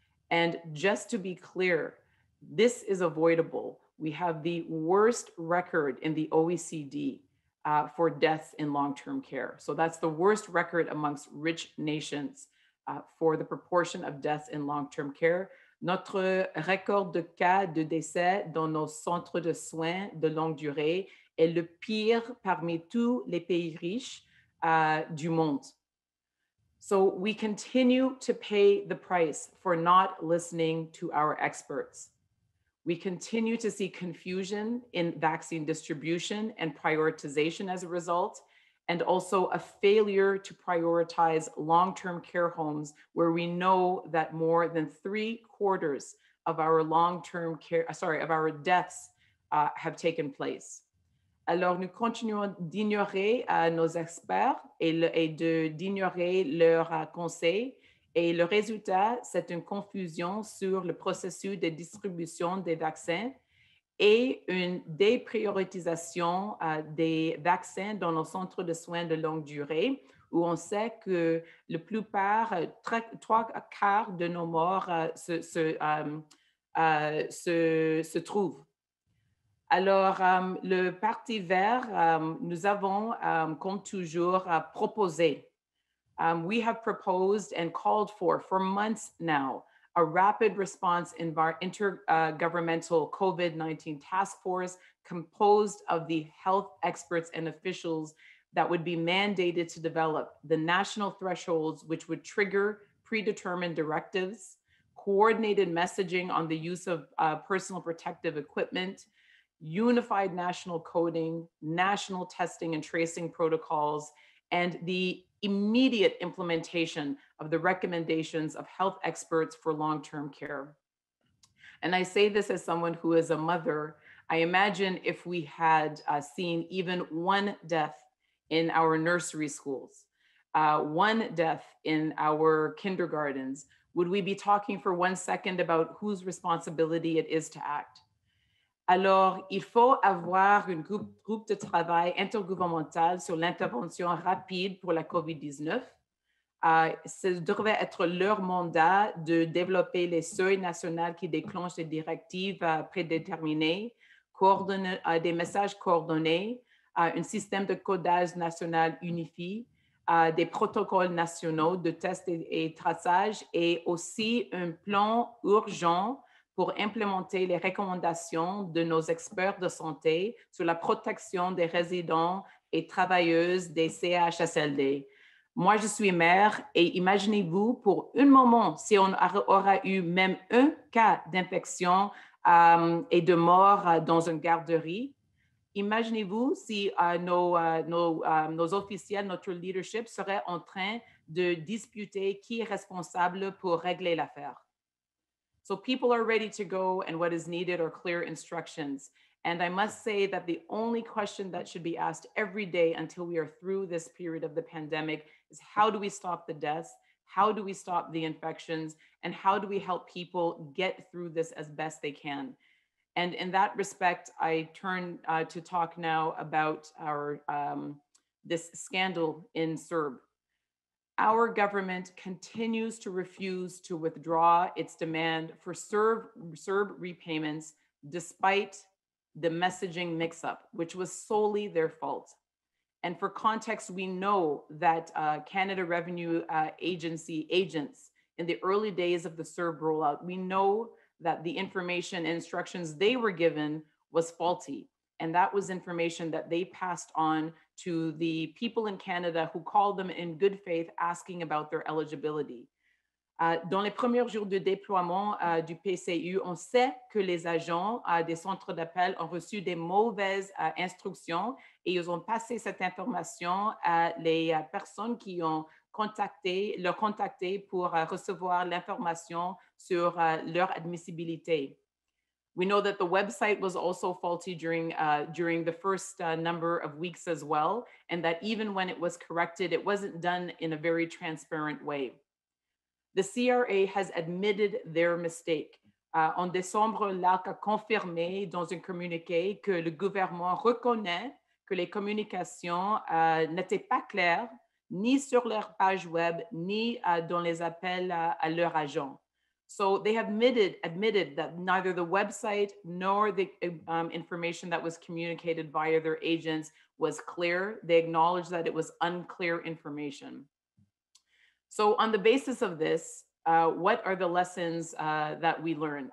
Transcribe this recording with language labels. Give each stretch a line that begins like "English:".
English: And just to be clear, this is avoidable. We have the worst record in the OECD for deaths in long-term care. So that's the worst record amongst rich nations for the proportion of deaths in long-term care.
French: Notre record de cas de décès dans nos centres de soins de longue durée est le pire parmi tous les pays riches du monde.
English: So we continue to pay the price for not listening to our experts. We continue to see confusion in vaccine distribution and prioritization as a result, and also a failure to prioritize long-term care homes where we know that more than three quarters of our long-term care, sorry, of our deaths have taken place.
French: Alors, nous continuons d'ignorer nos experts d'ignorer leurs conseils. Et le résultat, c'est une confusion sur le processus de distribution des vaccins et une dépriorisation des vaccins dans nos centres de soins de longue durée, où on sait que la plupart, trois quarts de nos morts se trouvent. Alors, le Parti vert, nous avons, comme toujours, proposé.
English: We have proposed and called for months now, a rapid response intergovernmental COVID-19 task force composed of the health experts and officials that would be mandated to develop the national thresholds, which would trigger predetermined directives, coordinated messaging on the use of personal protective equipment, unified national coding, national testing and tracing protocols, and the immediate implementation of the recommendations of health experts for long-term care. And I say this as someone who is a mother. I imagine if we had seen even one death in our nursery schools, one death in our kindergartens, would we be talking for 1 second about whose responsibility it is to act?
French: Alors, il faut avoir une groupe de travail intergouvernemental sur l'intervention rapide pour la COVID-19. Ce devrait être leur mandat de développer les seuils nationaux qui déclenchent des directives prédéterminées, des messages coordonnés, un système de codage national unifié, des protocoles nationaux de tests et traçage et aussi un plan urgent pour implémenter les recommandations de nos experts de santé sur la protection des résidents et travailleuses des CHSLD. Moi, je suis mère et imaginez-vous pour un moment si on aura eu même un cas d'infection et de mort dans une garderie. Imaginez-vous si nos officiels, notre leadership serait en train de disputer qui est responsable pour régler l'affaire.
English: So people are ready to go and what is needed are clear instructions. And I must say that the only question that should be asked every day until we are through this period of the pandemic is how do we stop the deaths? How do we stop the infections? And how do we help people get through this as best they can? And in that respect, I turn to talk now about our this scandal in CERB. Our government continues to refuse to withdraw its demand for CERB repayments despite the messaging mix-up, which was solely their fault. And for context, we know that Canada Revenue Agency agents in the early days of the CERB rollout, we know that the information and instructions they were given was faulty. And that was information that they passed on to the people in Canada who called them in good faith asking about their eligibility.
French: Dans les premiers jours de déploiement du PCU, on sait que les agents des centres d'appel ont reçu des mauvaises instructions et ils ont passé cette information à les personnes qui ont contacté pour recevoir l'information sur leur admissibilité.
English: We know that the website was also faulty during the first number of weeks as well, and that even when it was corrected, it wasn't done in a very transparent way. The CRA has admitted their mistake.
French: En décembre, l'ARC a confirmé dans un communiqué que le gouvernement reconnaît que les communications n'étaient pas claires, ni sur leur page web, ni dans les appels à leurs agents.
English: So they have admitted that neither the website nor the information that was communicated via their agents was clear. They acknowledged that it was unclear information. So on the basis of this, what are the lessons that we learned?